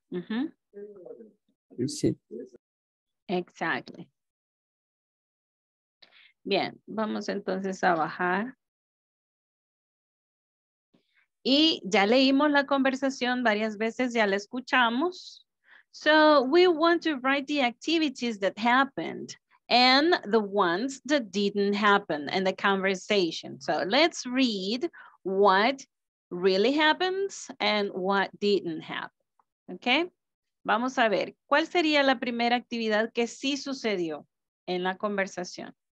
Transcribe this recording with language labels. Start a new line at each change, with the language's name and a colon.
English: Uh-huh. Receipt. Exactly.
Spanish: Bien, vamos entonces a bajar. Y ya leímos la conversación varias veces, ya la escuchamos.
English: So we want to write the activities that happened and the ones that didn't happen in the conversation. So let's read what really happens and what didn't happen. Okay?
Spanish: Vamos a ver, ¿cuál sería la primera actividad que sí sucedió en la conversación?